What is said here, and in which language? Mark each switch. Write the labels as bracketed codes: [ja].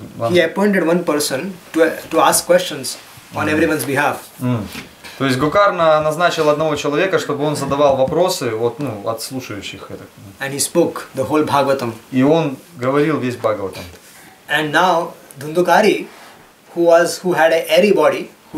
[en] He appointed one person to ask questions on everyone's behalf. [ru] То есть Гокарна назначил одного человека, чтобы он задавал вопросы от слушающих. [en] And he spoke the whole Bhagavatam. [ru] И он говорил весь Бхагаватам. [en] And now Дундукари, who had an airy body,